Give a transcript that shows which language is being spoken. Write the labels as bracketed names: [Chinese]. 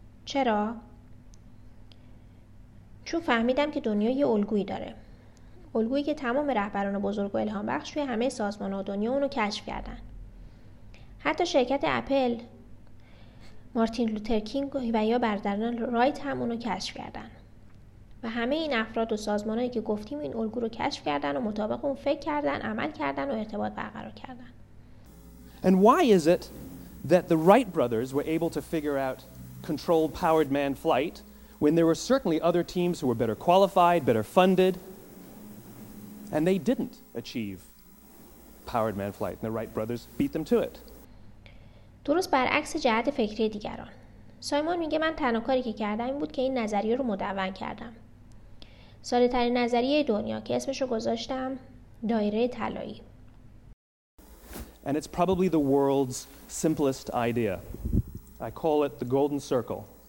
[Persian] چرا؟ چون فهمیدم که دنیا یه الگویی داره، الگویی که تمام رهبران بزرگ و الهام بخش توی همه سازمان و دنیا اونو کشف کردن. حتی شرکت اپل، مارتین لوتر کینگ و یا برادران رایت هم اونو کشف کردن و همه این افراد و سازمانهایی که گفتیم این الگو رو کشف کردن و مطابق اون فکر کردن، عمل کردن و ارتباط برقرار کردن. [English] And why is it that the Wright brothers were able to figure out controlled powered manned flight when there were certainly other teams who were better qualified, better funded, and they didn't achieve powered man flight, and the Wright brothers beat them to it. [Persian] درست برعکس جهت فکری دیگران. سایمون میگه من تنها کاری که کردم این بود که این نظریه رو مدون کردم. ساده‌ترین نظریه دنیا که اسمش رو گذاشتم دایره طلایی. [English] And it's probably the world's simplest idea. I call it the golden circle.